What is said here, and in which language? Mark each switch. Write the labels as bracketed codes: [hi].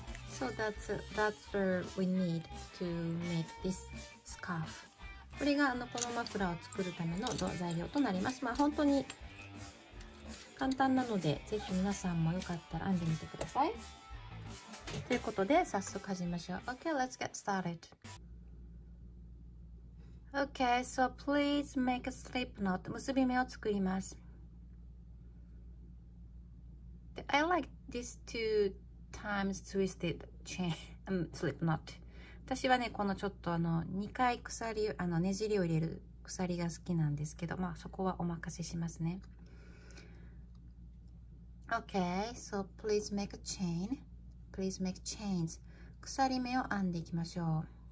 [en] So that's what we need to make this scarf. [ja] これがこのマフラーを作るための材料となります。まあ本当に簡単なので、ぜひ皆さんもよかったら編んでみてください。ということで早速始めましょう。 [en] OK, let's get started. OK, so please make a slip knot. 結び目を作ります。 I like these two times twisted chain slip knot. [ja] 私はね、このちょっと2回鎖、ねじりを入れる鎖が好きなんですけど、まあそこはお任せしますね。 [en] OK, so please make a chain. Please make chains. [ja] 鎖目を編んでいきましょう。